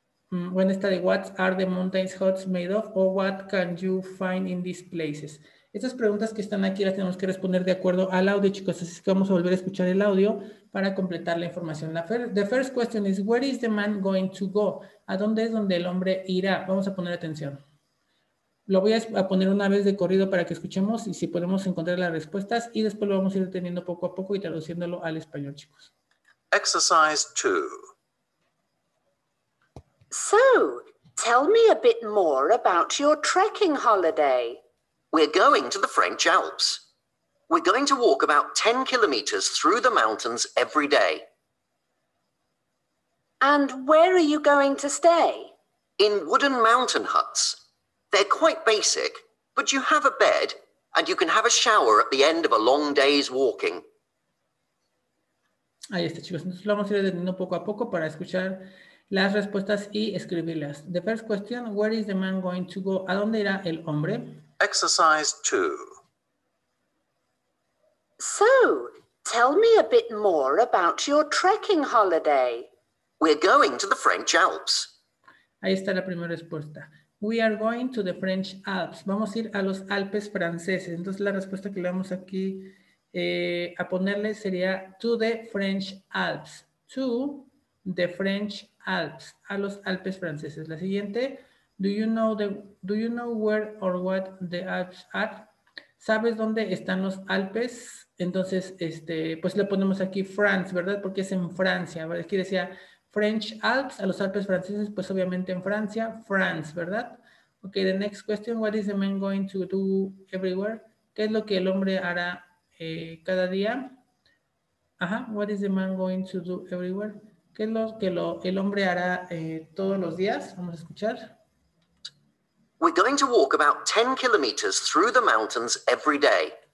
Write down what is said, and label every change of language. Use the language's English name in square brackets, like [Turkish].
[Spanish] Bueno, esta de [English] what are the mountains huts made of? Or what can you find in these places? [Spanish] Estas preguntas que están aquí las tenemos que responder de acuerdo al audio, chicos. Así que vamos a volver a escuchar el audio para completar la información. [English] The first question is, where is the man going to go? [Spanish] ¿A dónde es donde el hombre irá? Vamos a poner atención. Lo voy a poner una vez de corrido para que escuchemos y si podemos encontrar las respuestas, y después lo vamos a ir teniendo poco a poco y traduciéndolo al español, chicos. [English] Exercise 2. So, tell me a bit more about your trekking holiday. We're going to the French Alps. We're going to walk about 10 kilometers through the mountains every day. And where are you going to stay? In wooden mountain huts. They're quite basic, but you have a bed and you can have a shower at the end of a long day's walking. [Spanish] Ahí está, chicos. Entonces lo vamos a ir deteniendo poco a poco para escuchar las respuestas y escribirlas. [English] The first question, where is the man going to go? [Spanish] ¿A dónde irá el hombre? [English] Exercise 2. So, tell me a bit more about your trekking holiday. We're going to the French Alps. [Spanish] Ahí está la primera respuesta. [English] We are going to the French Alps. [Spanish] Vamos a ir a los Alpes franceses. Entonces, la respuesta que le vamos aquí a ponerle sería [English] to the French Alps. To the French Alps. [Spanish] A los Alpes franceses. La siguiente. [English] Do you know where or what the Alps are? [Spanish] ¿Sabes dónde están los Alpes? Entonces, pues le ponemos aquí France, ¿verdad? Porque es en Francia. Aquí decía French Alps, a los Alpes franceses, pues obviamente en Francia, France, ¿verdad? [English] Ok, the next question, what is the man going to do everywhere? [Spanish] ¿Qué es lo que el hombre hará cada día? [English] Ajá, what is the man going to do everywhere? [Spanish] ¿Qué es lo que el hombre hará todos los días? Vamos a escuchar. [English] We're going to walk about 10 kilometers through the mountains every day.